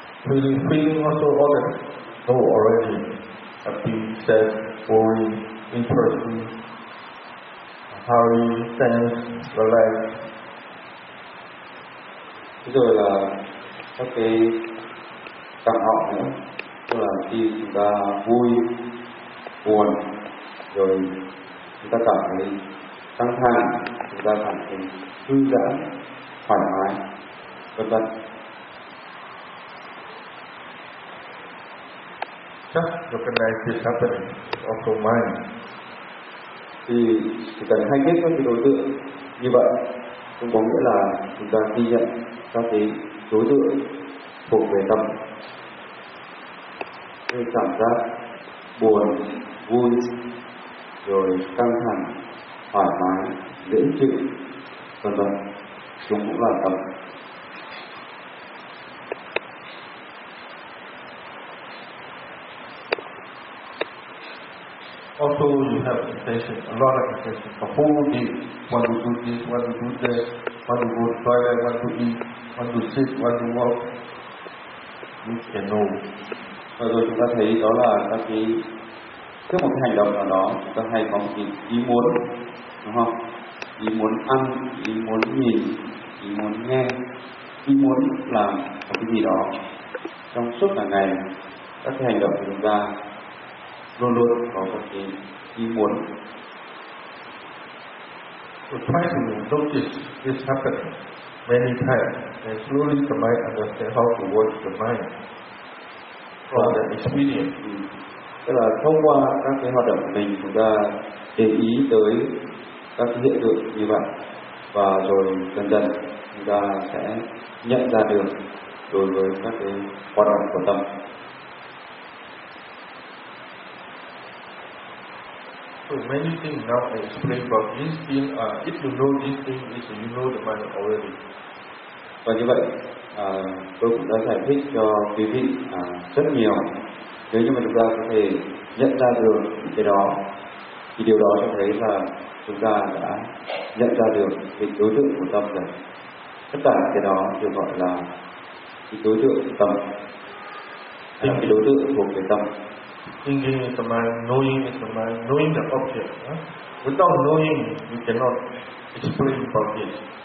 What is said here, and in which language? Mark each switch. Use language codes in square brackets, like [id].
[en] We feeling also other know already have been said, boring, interesting, hurry, tense, relaxed. [vi] Thế rồi là các cái cảm họ nữa, tức là khi chúng ta vui, buồn, rồi chúng ta cảm thấy căng thẳng, chúng ta cảm thấy thư giãn, thoải mái, vân vân. [en] Just recognize this happening of the mind. [vi] Thì chỉ cần hay biết các cái đối tượng như vậy, cũng có nghĩa là chúng ta ghi nhận các cái đối tượng thuộc về tâm. Cái cảm giác buồn, vui, rồi căng thẳng, thoải mái, dễ chịu, vân vân, chúng cũng là tâm. [en] Also, you have intention, a lot of intention. A whole day, want to do this, want to do that, want to go to the toilet, want to eat, want to sit, want to walk. You can know. [vi] Và rồi chúng ta thấy đó là các cái trước một cái hành động nào đó, chúng ta hay có một cái ý muốn, đúng không? Ý muốn ăn, ý muốn nhìn, ý muốn nghe, ý muốn làm một cái gì đó. Trong suốt cả ngày, các cái hành động của chúng ta luôn luôn có một cái ý muốn. [en] So try to notice this happen many times and slowly the mind understand how to work the mind. From the experience. [vi] Tức là thông qua các cái hoạt động của mình, chúng ta để ý tới các cái hiện tượng như vậy, và rồi dần dần chúng ta sẽ nhận ra được đối với các cái hoạt động của tâm. [en] So many things now I explain about this thing, if you know this thing, if you know the mind already. [vi] Và như vậy, tôi cũng đã giải thích cho quý vị rất nhiều. Nếu như mà chúng ta có thể nhận ra được cái đó, thì điều đó cho thấy là chúng ta đã nhận ra được cái đối tượng của tâm rồi. Tất cả cái đó được gọi là cái đối tượng của tâm, là cái đối tượng thuộc về tâm. [en] Thinking is the mind, knowing is the mind, knowing the object. Without knowing, we cannot explain about this.